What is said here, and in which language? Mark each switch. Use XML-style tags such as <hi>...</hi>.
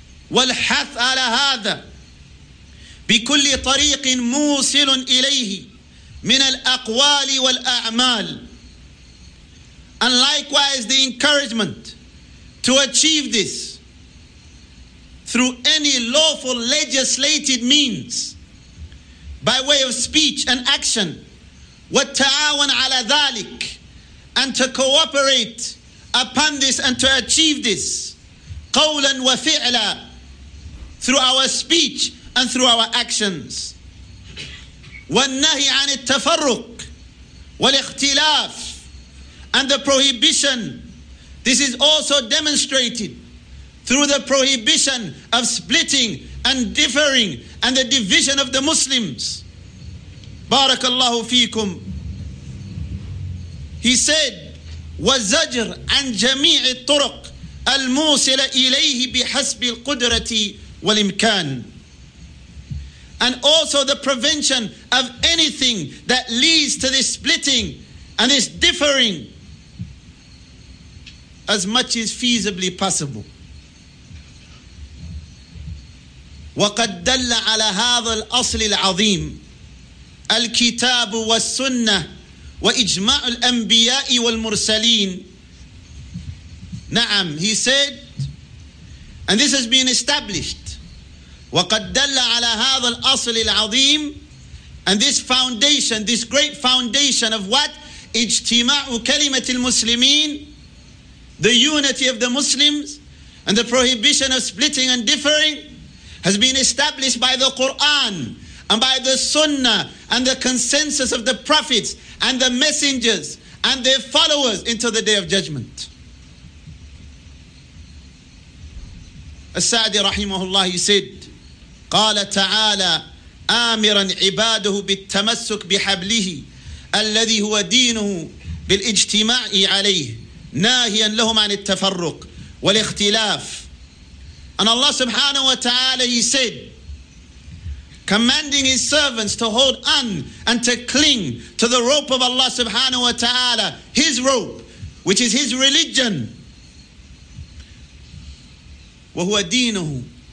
<ar>والحث على هذا بكل طريق موصل إليه من الأقوال والأعمال,</ar> <en>and likewise the encouragement to achieve this through any lawful legislated means by way of speech and action.</en> <ar>وَالتَّعَاوَنْ عَلَى ذَلِكَ,</ar> <en>and to cooperate upon this and to achieve this.</en> <ar>قَوْلًا وَفِعْلًا,</ar> <en>through our speech and through our actions.</en> <ar>وَالنَّهِ عَنِ التَّفَرُّقِ وَالِاخْتِلَافِ,</ar> <en>and the prohibition. This is also demonstrated through the prohibition of splitting and differing and the division of the Muslims. Barakallahu fikum. He said,</en> <ar>وَزَجْرْ عَنْ جَمِيعِ الطُّرُقْ الْمُوصِلَ إِلَيْهِ بِحَسْبِ الْقُدْرَةِ وَالْإِمْكَانِ,</ar> <en>and also the prevention of anything that leads to this splitting and this differing, as much as feasibly possible.</en> <ar>وقد دل على هذا الأصل العظيم الكتاب والسنة وإجماع الأنبياء والمرسلين. نعم,</ar> <en>he said, and this has been established.</en> <ar>وقد دل على هذا الأصل العظيم,</ar> <en>and this foundation, this great foundation of what?</en> <ar>اجتماع كلمة المسلمين,</ar> <en>the unity of the Muslims, and the prohibition of splitting and differing, has been established by the Quran and by the Sunnah and the consensus of the prophets and the messengers and their followers until the Day of Judgment. As-Sa'di rahimahullah, he said,</en> <ar>قال تعالى آمرا عباده بالتمسك بحبله الذي هو دينه بالاجتماع عليه ناهيا لهم عن التفرق والاختلاف.</ar> <en>And Allah subhanahu wa ta'ala, he said, commanding his servants to hold on and to cling to the rope of Allah subhanahu wa ta'ala, his rope, which is his religion.</en> <ar>وَهُوَ دِينُهُ.</ar>